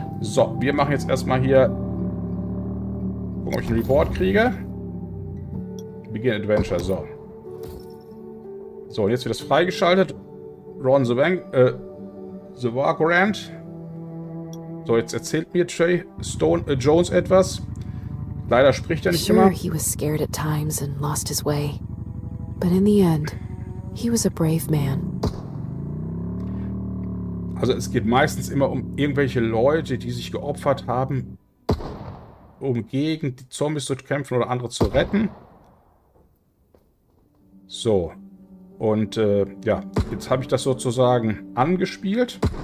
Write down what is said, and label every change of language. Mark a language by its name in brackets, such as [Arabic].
[German] So, wir machen jetzt erstmal hier, gucken, ob ich einen Report kriege. Begin Adventure, so. So, jetzt wird das freigeschaltet. Ron the Bank, The War Grant. So, jetzt erzählt mir Trey Stone Jones etwas. Leider spricht er nicht immer. [English] Sure, he was scared at times and lost his way. But in the end, he was a brave man. [German] Also es geht meistens immer um irgendwelche Leute, die sich geopfert haben, um gegen die Zombies zu kämpfen oder andere zu retten. So. Und ja, jetzt habe ich das sozusagen angespielt.